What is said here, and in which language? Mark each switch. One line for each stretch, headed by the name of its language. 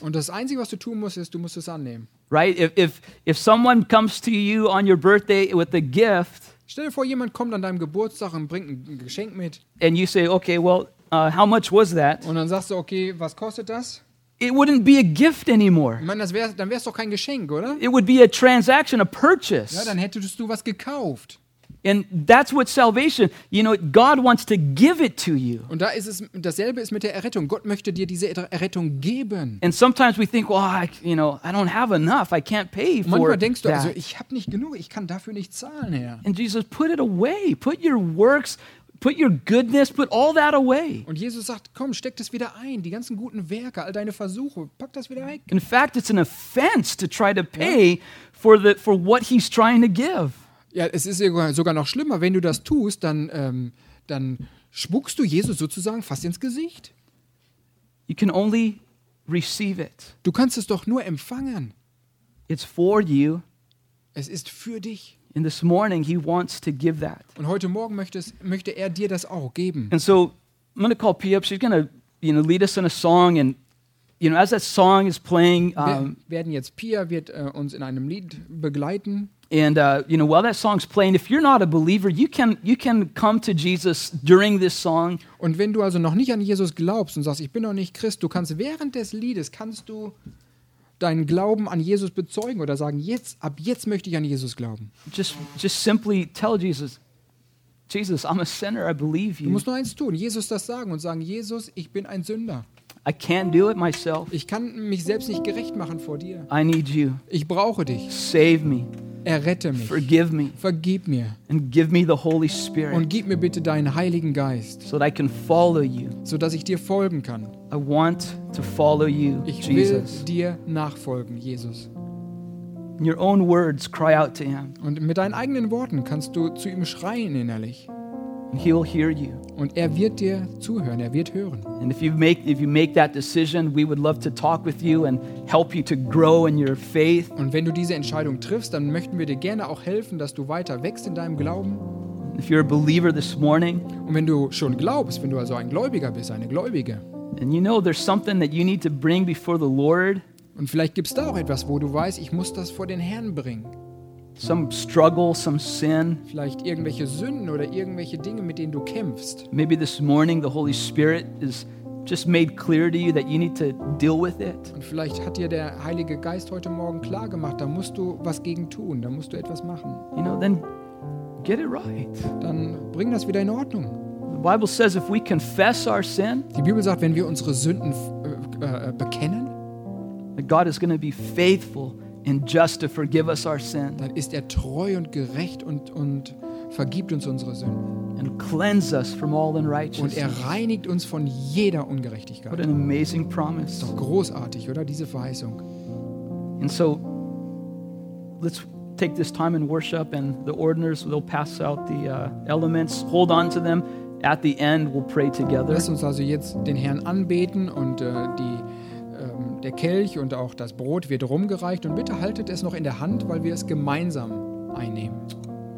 German: Und das Einzige, was du tun musst, ist, du musst es annehmen.
English: Right? If someone comes to you on your birthday with a gift.
German: Stell dir vor, jemand kommt an deinem Geburtstag und bringt ein Geschenk mit.
English: And you say, okay, well, how much was that?
German: Und dann sagst du, okay, was kostet das?
English: It wouldn't be a gift anymore.
German: Ich meine, dann wär's doch kein Geschenk, oder?
English: It would be a transaction, a purchase.
German: Ja, dann hättest du was gekauft.
English: And that's what salvation, you know, God wants to give it to you.
German: Und da ist es, dasselbe ist mit der Errettung. Gott möchte dir diese Errettung geben.
English: And sometimes we think, well, I don't have enough. I can't pay for
German: manchmal denkst du, also, ich habe nicht genug, ich kann dafür nicht zahlen, Herr.
English: And Jesus, put it away. Put your works, Put your goodness, put all that away.
German: Und Jesus sagt, komm, steck das wieder ein, die ganzen guten Werke, all deine Versuche, pack das wieder weg.
English: In fact, it's an offense to try to pay for what he's trying to give.
German: Ja, es ist sogar noch schlimmer, wenn du das tust, dann spuckst du Jesus sozusagen fast ins Gesicht.
English: You can only receive it.
German: Du kannst es doch nur empfangen.
English: It's for you.
German: Es ist für dich.
English: And this morning he wants to give that.
German: Und heute Morgen möchte er dir das auch geben.
English: And so I'm going to call P up. She's going to, you know, lead us in a song. And you know, as that song is playing,
German: werden jetzt Pia wird uns in einem Lied begleiten.
English: And you know, while that song's playing, if you're not a believer, you can come to Jesus during this song.
German: Und wenn du also noch nicht an Jesus glaubst und sagst, ich bin noch nicht Christ, du kannst während des Liedes kannst du deinen Glauben an Jesus bezeugen oder sagen, jetzt ab jetzt möchte ich an Jesus glauben.
English: Just simply tell Jesus, I'm a sinner, I believe you.
German: Du musst nur eins tun, Jesus das sagen und sagen, Jesus, ich bin ein Sünder.
English: I can't do it myself.
German: Ich kann mich selbst nicht gerecht machen vor dir.
English: I need you.
German: Ich brauche dich.
English: Save me.
German: Errette mich.
English: Forgive me.
German: Vergib mir.
English: And give me the Holy Spirit.
German: Und gib mir bitte deinen Heiligen Geist.
English: So that I can follow you.
German: So dass ich dir folgen kann.
English: I want to follow you,
German: ich
English: Jesus.
German: Will dir nachfolgen, Jesus.
English: In your own words, cry out to him.
German: Und mit deinen eigenen Worten kannst du zu ihm schreien innerlich.
English: And he'll hear you.
German: Und er wird dir zuhören, er wird hören.
English: And if you make that decision, we would love to talk with you and help you to grow in your faith.
German: Und wenn du diese Entscheidung triffst, dann möchten wir dir gerne auch helfen, dass du weiter wächst in deinem Glauben.
English: If you're a believer this morning,
German: und wenn du schon glaubst, wenn du also ein Gläubiger bist, eine Gläubige.
English: And you know there's something that you need to bring before the Lord.
German: Und vielleicht gibt's da auch etwas, wo du weißt, ich muss das vor den Herrn bringen.
English: Some struggle, some sin.
German: Vielleicht irgendwelche Sünden oder irgendwelche Dinge, mit denen du kämpfst.
English: Maybe this morning the Holy Spirit is just made clear to you that you need to deal with it.
German: Und vielleicht hat dir der Heilige Geist heute Morgen klar gemacht, da musst du was gegen tun, da musst du etwas machen.
English: You know, then get it right.
German: Dann bring das wieder in Ordnung.
English: The Bible says if we confess our sin.
German: Die Bibel sagt, wenn wir unsere Sünden bekennen,
English: that God is going to be faithful. And just to forgive us our sin.
German: Dann ist er treu und gerecht und vergibt uns unsere Sünden.
English: And cleanse us from all unrighteousness.
German: Und er reinigt uns von jeder Ungerechtigkeit.
English: What an amazing promise.
German: Doch großartig, oder? Diese Verheißung.
English: And so, let's take this time in worship and the ordiners will pass out the elements. Hold on to them. At the end, we'll pray together.
German: Lass uns also jetzt den Herrn anbeten und der Kelch und auch das Brot wird rumgereicht und bitte haltet es noch in der Hand, weil wir es gemeinsam einnehmen.